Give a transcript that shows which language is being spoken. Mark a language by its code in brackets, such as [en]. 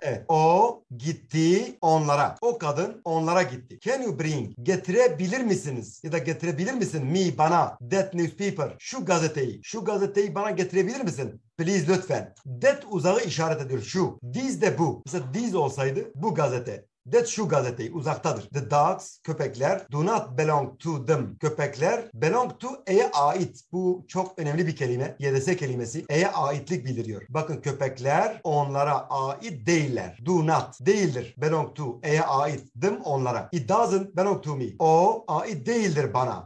[tr] Evet. O gitti onlara. O kadın onlara gitti. [en] Can you bring? [tr] Getirebilir misiniz? Ya da getirebilir misin? Me, bana. [en] That newspaper. [tr] Şu gazeteyi. Şu gazeteyi bana getirebilir misin? Please, lütfen. That uzağı işaret ediyor. Şu. This de bu. Mesela this olsaydı bu gazete. That şu gazeteyi uzaktadır. [en] The dogs, köpekler, do not belong to them. [tr] Köpekler, belong to, e'ye ait. Bu çok önemli bir kelime. YDS kelimesi, e'ye aitlik bildiriyor. Bakın köpekler onlara ait değiller. Do not, değildir. Belong to, e'ye ait. Them, onlara. [en] It doesn't belong to me. [tr] O ait değildir bana.